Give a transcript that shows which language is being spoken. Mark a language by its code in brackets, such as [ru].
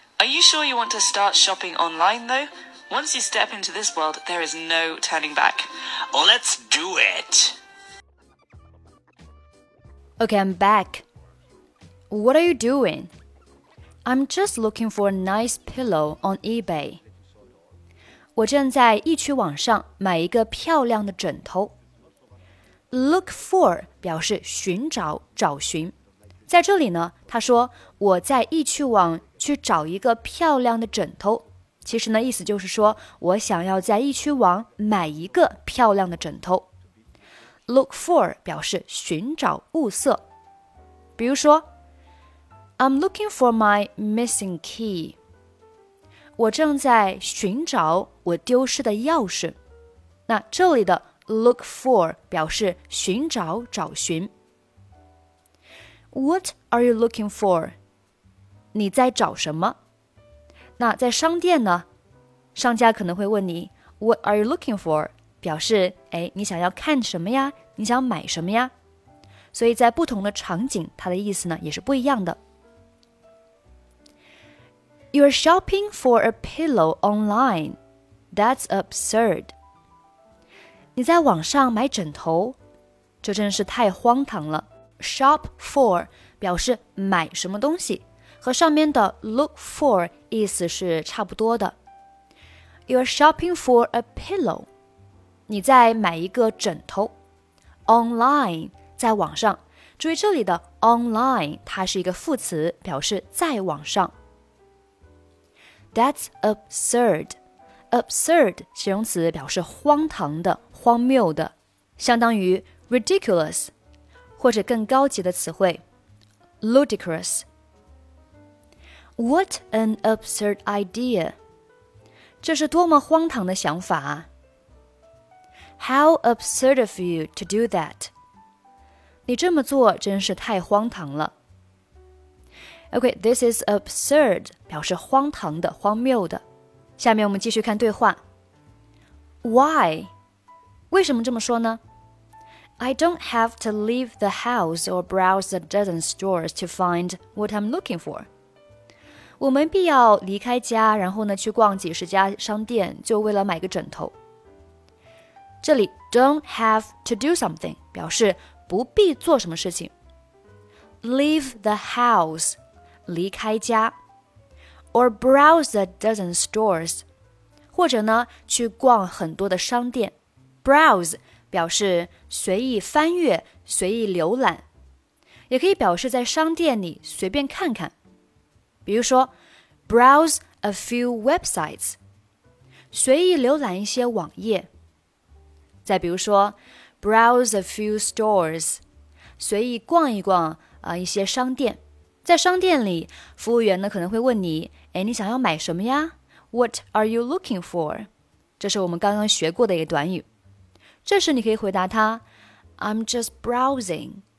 [en] Are you sure you want to start shopping online, though? Once you step into this world, there is no turning back. Let's do it! Okay, I'm back. What are you doing? I'm just looking for a nice pillow on eBay. [zh] 我正在易趣网上买一个漂亮的枕头。 Look for 表示寻找、找寻。在这里呢，他说我在易趣网去找一个漂亮的枕头，其实呢，意思就是说我想要在易趣网买一个漂亮的枕头。 Look for 表示寻找、物色。比如说 [en] ，I'm looking for my missing key。 [zh] 我正在寻找我丢失的钥匙。那这里的 look for 表示寻找、找寻。 [en] What are you looking for? [zh] 你在找什么？那在商店呢？商家可能会问你 [en] What are you looking for? [zh] 表示，哎，你想要看什么呀？你想买什么呀？所以在不同的场景，它的意思呢，也是不一样的。 [en] You're shopping for a pillow online. That's absurd. [zh] 你在网上买枕头，这真是太荒唐了。 Shop for 表示买什么东西。和上面的 look for 意思是差不多的。 [en] You're shopping for a pillow. [zh] 你在买一个枕头。 [en] Online [zh] 在网上。注意这里的 online 它是一个副词，表示在网上。 That's absurd. Absurd 形容词表示荒唐的、荒谬的，相当于 ridiculous， 或者更高级的词汇 ludicrous。 [en] What an absurd idea. [zh] 这是多么荒唐的想法。 [en] How absurd of you to do that. [zh] 你这么做真是太荒唐了。 [en] Okay, this is absurd, [zh] 表示荒唐的、荒谬的。下面我们继续看对话。 [en] Why? [zh] 为什么这么说呢？ [en] I don't have to leave the house or browse a dozen stores to find what I'm looking for. [zh] 我没必要离开家，然后呢去逛几十家商店，就为了买个枕头。这里 don't have to do something 表示不必做什么事情。 [en] Leave the house [zh] 离开家 [en] ，or browse a dozen stores [zh] 或者呢去逛很多的商店。 [en] Browse [zh] 表示随意翻阅、随意浏览，也可以表示在商店里随便看看。比如说 [en] ,browse a few websites, [zh] 随意浏览一些网页。再比如说 [en] browse a few stores. [zh] 随意逛一逛、一些商店。在商店里，服务员呢可能会问你，哎，你想要买什么呀？ [en] What are you looking for? [zh] 这是我们刚刚学过的一个短语。这时你可以回答他， [en] I'm just browsing.